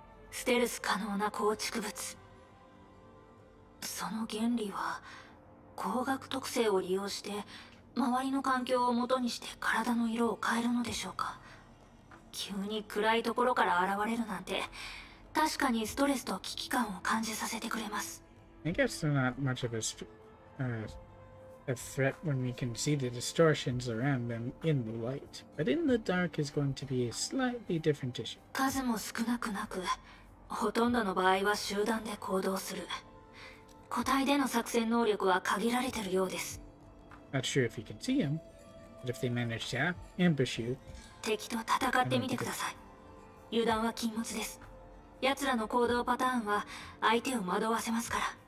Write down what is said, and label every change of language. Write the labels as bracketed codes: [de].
[ja] ステルス可能な構築物。その原理は光学特性を利用して周りの環境を元にして体の色を変えるのでしょうか。急に暗いところから現れるなんて、確かにストレスと危機感を感じさせてくれます。 [en] I guess they're not much of a threat when we can see the distortions around them in the light. But in the dark is going to be a slightly different issue. [ja] 数も少なくなく、ほとんどの場合は集団で行動する。個体での作戦能力は限られているようです。 [en] Not sure if you can see them, but if they manage to ambush you, [ja] 敵と戦ってみてください。油断は禁物です。やつらの行動パターンは相手を惑わせますから。